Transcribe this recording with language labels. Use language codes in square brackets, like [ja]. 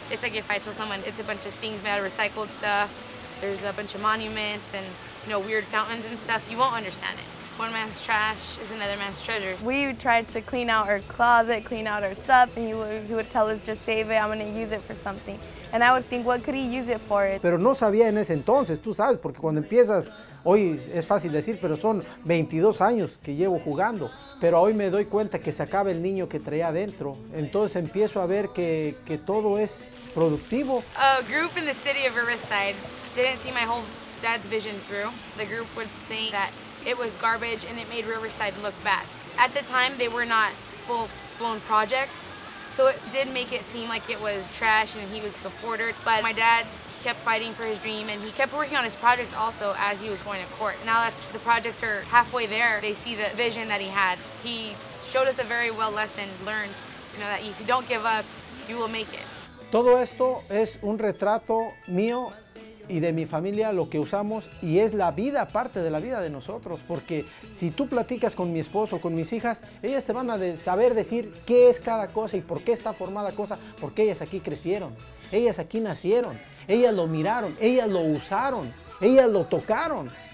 [en] It's like if I tell someone it's a bunch of things made out of recycled stuff, there's a bunch of monuments and, you know, weird fountains and stuff, you won't understand it. One man's trash is another man's treasure. We tried to clean out our closet, clean out our stuff, and he would tell us, just save it, I'm gonna use it for something. And I would think, what could he use it for? [es] Pero no sabía en ese entonces, tú sabes, porque cuando empiezas, hoy es fácil decir, pero son 22 años que llevo jugando. Pero hoy me doy cuenta que se acaba el niño que traía adentro. Entonces empiezo a ver que todo es productivo. [en] A group in the city of Riverside didn't see my whole dad's vision through. The group would say that it was garbage and it made Riverside look bad. At the time, they were not full-blown projects. So it did make it seem like it was trash and he was a hoarder. But my dad kept fighting for his dream and he kept working on his projects also as he was going to court. Now that the projects are halfway there, they see the vision that he had. He showed us a very well lesson learned, you know, that if you don't give up, you will make it. [es] Todo esto es un retrato mío y de mi familia, lo que usamos, y es la vida, parte de la vida de nosotros, porque si tú platicas con mi esposo, con mis hijas, ellas te van a saber decir qué es cada cosa y por qué está formada cosa, porque ellas aquí crecieron, ellas aquí nacieron, ellas lo miraron, ellas lo usaron, ellas lo tocaron.